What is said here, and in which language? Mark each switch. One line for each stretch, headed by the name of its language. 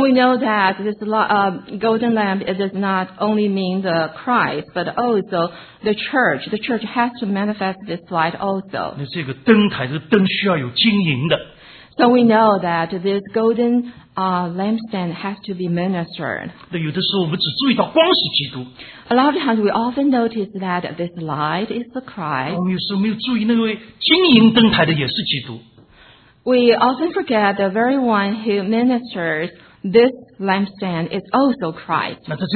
English: we know that this golden lamp does not only mean the Christ, but also the church. The church has to manifest this light also.
Chinese: 那这个灯台，这灯需要有经营的。
English: So we know that this golden lampstand has to be ministered. A lot of times we often notice that this light is the Christ. We often forget the very one who ministers this lampstand is also Christ.